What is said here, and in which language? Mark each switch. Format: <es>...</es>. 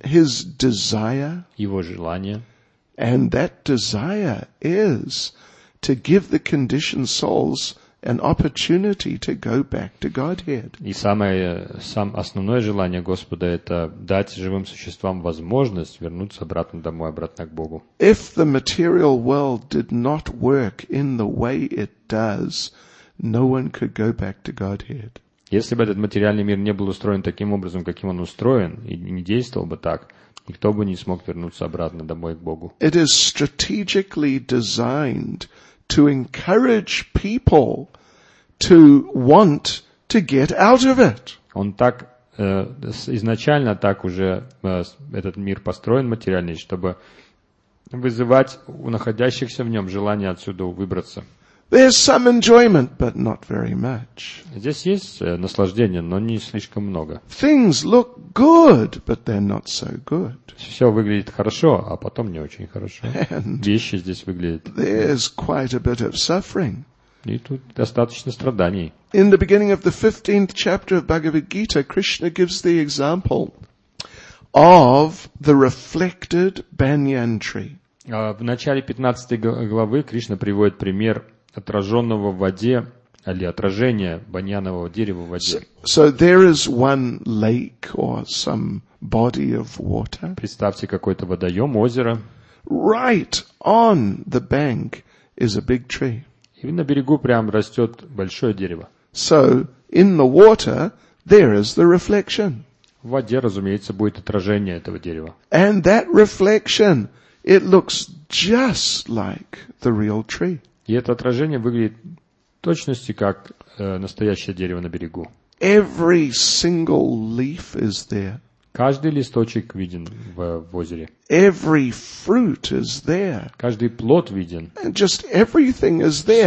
<en>His desire,</en> <ru>его желание.</ru> <en>And that desire is to give the conditioned souls an opportunity to go back to Godhead.</en> <ru>И основное желание Господа — это дать живым существам возможность вернуться обратно домой, обратно к Богу.</ru> <en>If the material world did not work in the way it does, no one could go back to Godhead.</en> <ru>Если бы этот материальный мир не был устроен таким образом, каким он устроен, и не действовал бы так, никто бы не смог вернуться обратно домой к Богу.</ru> <en>It is strategically designed to encourage people to want to get out of it.</en> <ru>Он так изначально так уже этот мир построен материальный, чтобы вызывать у находящихся в нем желание отсюда выбраться.</ru> <en>There's some enjoyment, but not very much.</en> <ru>Здесь есть наслаждение, но не слишком много.</ru> <en>Things look good, but they're not so good.</en> <ru>Все выглядит хорошо, а потом не очень хорошо. Вещи здесь выглядят.</ru> <en>There's quite a bit of suffering.</en> <ru>И тут достаточно страданий.</ru> <en>In the beginning of the 15th chapter of Bhagavad Gita, Krishna gives the example of the reflected banyan tree.</en> <ru>В начале 15 главы Кришна приводит пример отраженного в воде, или отражения баньянового дерева в воде.</ru> <en>So there is one lake or some body of water.</en> <ru>Представьте, какой-то водоем, озеро.</ru> <en>Right on the bank is a big tree.</en> <ru>И на берегу прям растет большое дерево.</ru> <en>So in the water there is the reflection.</en> <ru>В воде, разумеется, будет отражение этого дерева.</ru> <en>And that reflection, it looks just like the real tree.</en> <ru>И это отражение выглядит точности как настоящее дерево на берегу.</ru> <en>Every single leaf is there.</en> <ru>Каждый листочек виден в озере.</ru> <en>Every fruit is there.</en> <ru>Каждый плод виден.</ru> <en>And just everything is there.</en>